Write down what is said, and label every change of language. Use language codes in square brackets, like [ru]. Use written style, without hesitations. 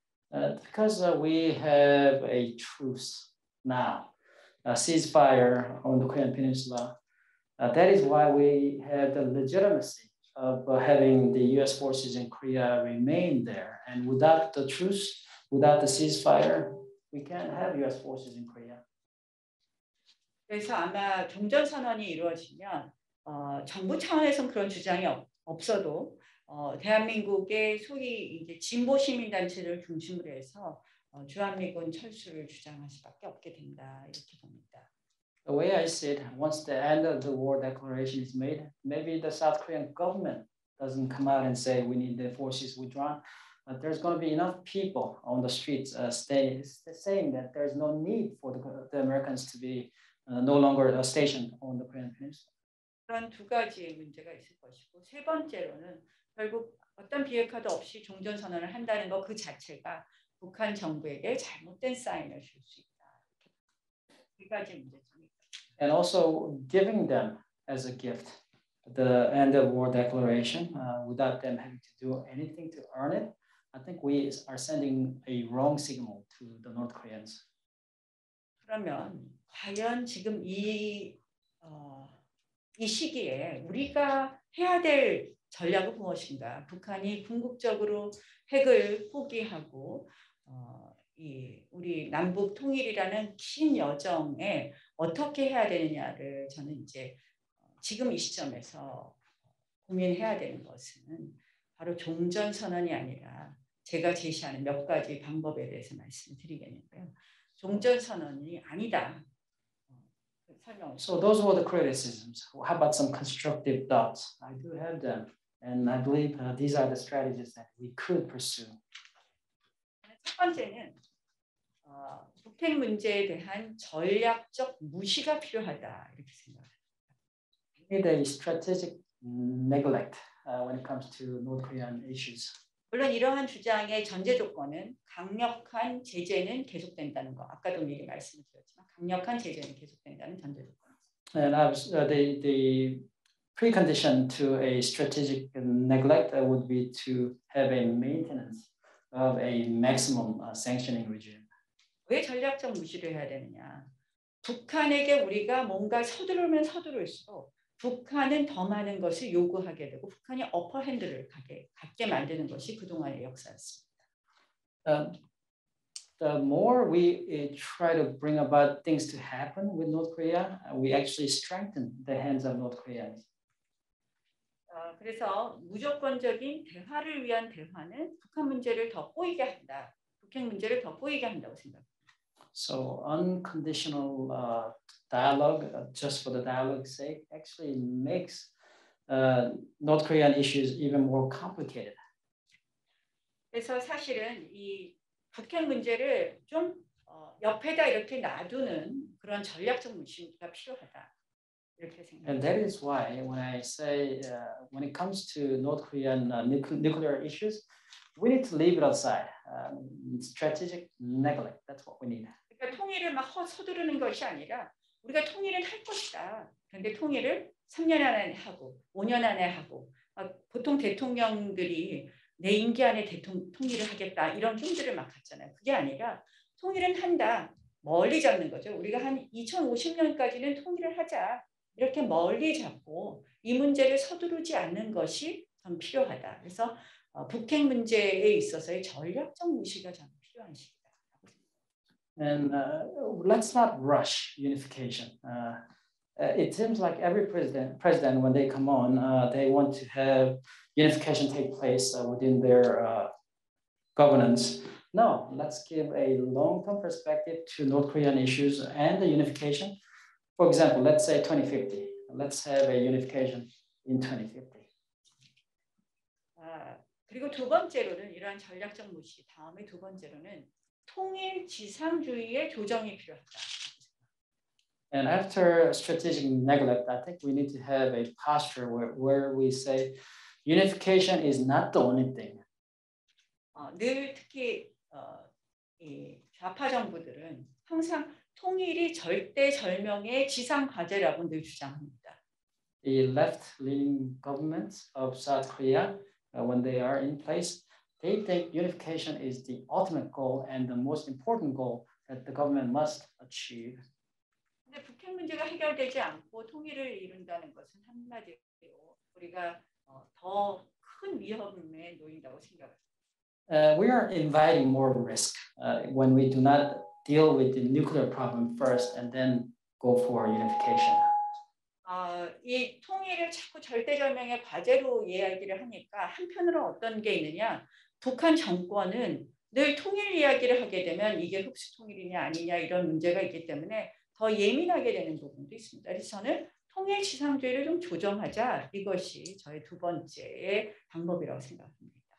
[en] Because we have a truce now, a ceasefire on the Korean Peninsula, that is why we have the legitimacy of having the U.S. forces in Korea remain there. And without the truce, without the ceasefire, we can't have U.S. forces in Korea. [ko] 그래서 아마 종전 선언이 이루어지면 정부 차원에서는 그런 주장이 없어도 대한민국의 소위 이제 진보 시민단체를 중심으로 해서 주한미군 철수를 주장할 수밖에 없게 된다 이렇게 봅니다. [en] The way I see it, once the end of the war declaration is made, maybe the South Korean government doesn't come out and say we need the forces withdrawn, but there's going to be enough people on the streets saying that there's no need for the Americans to be no longer stationed on the Korean Peninsula. [ko] 그런 두 가지의 문제가 있을 것이고 세 번째로는 결국 어떤 비핵화도 없이 종전 선언을 한다는 것 그 자체가 북한 정부에게 잘못된 사인을 줄 수 있다. 두 가지 문제. [en] And also giving them as a gift the end of war declaration without them having to do anything to earn it, I think we are sending a wrong signal to the North Koreans. [ko] 그러면 과연 지금 이 시기에 우리가 해야 될 전략은 무엇인가? 북한이 궁극적으로 핵을 포기하고 이 우리 남북 통일이라는 긴 여정에 어떻게 해야 되느냐를 저는 이제 지금 이 시점에서 고민해야 되는 것은 바로 종전 선언이 아니라 제가 제시하는 몇 가지 방법에 대해서 말씀을 드리겠는데요. 종전 선언이 아니다. [en] So those were the criticisms. How about some constructive thoughts? I do have them. And I believe these are the strategies that we could pursue. [ko] 첫 번째는 북핵 문제에 대한 전략적 무시가 필요하다 이렇게 생각합니다. [en] The strategic neglect when it comes to North Korean issues. [ko] 물론 이러한 주장의 전제 조건은 강력한 제재는 계속된다는 거. 아까도 미리 말씀을 드렸지만 강력한 제재는 계속된다는 전제 조건. [en] And the precondition to a strategic neglect would be to have a maintenance of a maximum sanctioning regime. [ko] 왜 전략적 무시를 해야 되느냐. 북한에게 우리가 뭔가 서두르면 서두를수록 북한은 더 많은 것을 요구하게 되고 북한이 어퍼핸드를 갖게 만드는 것이 그동안의 역사였습니다. [en] The more we try to bring about things to happen with North Korea, we actually strengthen the hands of North Korea. [ko] 그래서 무조건적인 대화를 위한 대화는 북한 문제를 더 꼬이게 한다. 북핵 문제를 더 꼬이게 한다고 생각합니다. [en] So unconditional dialogue, just for the dialogue's sake, actually makes North Korean issues even more complicated. [ko] 그래서 사실은 이 북핵 문제를 좀 옆에다 이렇게 놔두는 그런 전략적 무시가 필요하다 이렇게 생각. [en] And that is why when I say when it comes to North Korean nuclear issues, we need to leave it aside. Strategic neglect. That's what we need. [ko] 통일을 막 서두르는 것이 아니라 우리가 통일을 할 것이다. 그런데 통일을 3년 안에 하고 5년 안에 하고 막 보통 대통령들이 내 임기 안에 통일을 하겠다 이런 꿈들을 막 갖잖아요. 그게 아니라 통일은 한다. 멀리 잡는 거죠. 우리가 한 2050년까지는 통일을 하자. 이렇게 멀리 잡고 이 문제를 서두르지 않는 것이 좀 필요하다. 그래서 북핵 문제에 있어서의 전략적 무시가 좀 필요한 시기다. [en] And let's not rush unification. It seems like every president, when they come on, they want to have unification take place within their governance. No, let's give a long-term perspective to North Korean issues and the unification. For example, let's say 2050. Let's have a unification in 2050. [ko] 그리고 두 번째로는 이러한 전략적 무시, 다음에 두 번째로는 통일 지상주의의 조정이 필요하다. [en] And after strategic neglect, I think we need to have a posture where we say unification is not the only thing. [ko] 늘 특히 이 좌파 정부들은 항상 통일이 절대절명의 지상 과제라고 늘 주장합니다. [en] The left-leaning governments of South Korea, when they are in place, they think unification is the ultimate goal and the most important goal that the government must achieve. [ko] 근데 북핵 문제가 해결되지 않고 통일을 이룬다는 것은 한마디로 우리가 더 큰 위험에 놓인다고 생각합니다. [en] We are inviting more risk when we do not deal with the nuclear problem first and then go for unification. [ko] 이 통일을 자꾸 절대절명의 과제로 이야기를 하니까 한편으로 어떤 게 있느냐? 북한 정권은 늘 통일 이야기를 하게 되면 이게 흡수 통일이냐 아니냐 이런 문제가 있기 때문에 더 예민하게 되는 부분도 있습니다. 그래서 저는 통일 지상주의를 좀 조정하자 이것이 저의 두 번째 방법이라고 생각합니다.